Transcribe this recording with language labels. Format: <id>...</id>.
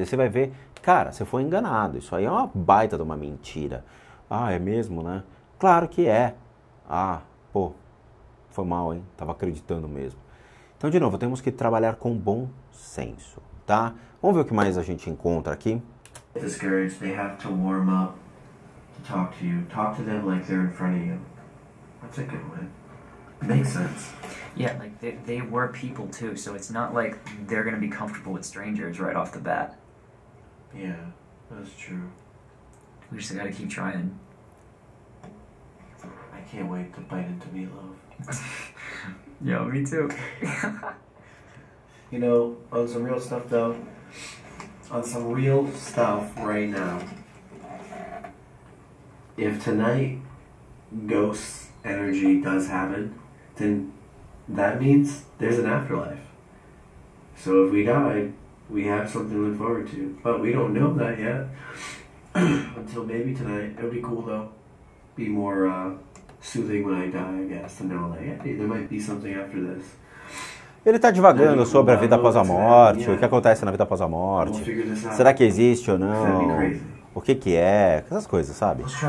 <pt>Aí você vai ver, cara, você foi enganado, isso aí é uma baita de uma mentira. Ah, é mesmo, né? Claro que é. Ah, pô. Foi mal, hein? Tava acreditando mesmo. Então, de novo, temos que trabalhar com bom senso, tá? Vamos ver o que mais a gente encontra aqui.</pt> <en>Discouraged, they have to warm up to talk to you. Talk to them like they're in front of you. That's a good one. Makes sense. Yeah, like they were people too, so it's not like they're gonna be comfortable with strangers right off the bat. Yeah, that's true. We just gotta keep trying. I can't wait to bite into Meatloaf. Yo, me too. You know, on some real stuff though, on some real stuff right now, if tonight ghost energy does happen, then that means there's an afterlife. So if we die, we have something to look forward to. But we don't know that yet. Until maybe tonight. It'll be cool though. Be more, soothing when I die, I guess, and they're like, hey, there might be something after this.</en> <pt>Ele tá divagando sobre a vida após a morte, o que acontece na vida após a morte, será que existe ou não, o que que é, essas coisas, sabe?</pt>